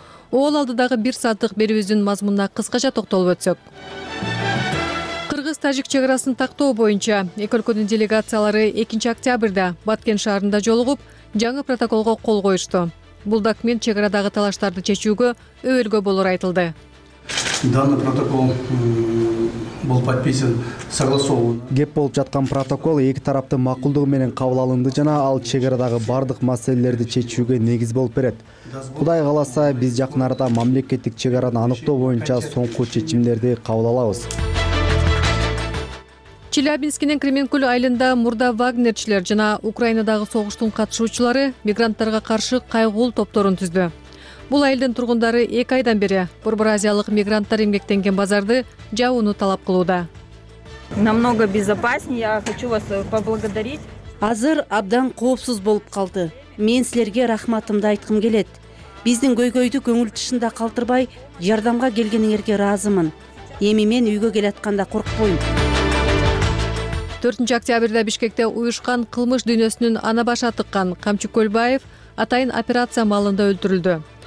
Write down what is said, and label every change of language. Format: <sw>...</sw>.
<ky>Ол алдыдагы бир сааттык берүүбүздүн мазмунуна кыскача токтолуп өтсөк. Кыргыз-тажик чек арасын тактоо боюнча эки өлкөнүн делегациялары 2 октябрда Баткен шаарында жолугуп, жаңы протоколго кол коюшту. Бул документ чек арадагы талаштарды чечүүгө өбөлгө болору айтылды.</ky> <ru>Данный протокол был подписан согласованно.</ru> <ky>Кеп болуп жаткан протокол эки тараптын макулдугу менен кабыл алынды жана ал чек арадагы бардык маселелерди чечүүгө негиз болуп берет. Кудай кааласа, биз жакын арада мамлекеттик чек араны аныктоо боюнча соңку чечимдерди кабыл алабыз. Челябинскинин Кременкул айылында мурда Вагнерчилер жана Украинадагы согуштун катышуучулары мигранттарга каршы кайгыл топторун түздү. Бул айылдын тургундары 2 айдан бери Борборазиялык мигранттар эмгектенген базарды жабууну талап кылууда.</ky> <ru>Намного безопаснее, я хочу вас поблагодарить.</ru> <ky>Азыр абдан коопсуз болуп калды. Мен силерге рахматымды айткым келет. Биздин көйгөйдү көңүл тышында калтырбай, жардамга келгениңерге ыраазымын. Эми мен үйгө келатканда коркпойм. 4 октябрда Бишкекте уюшкан кылмыш дүйнөсүнүн ана башы атыккан Камчы Көлбаев атайын операция маалында өлтүрүлдү.</ky>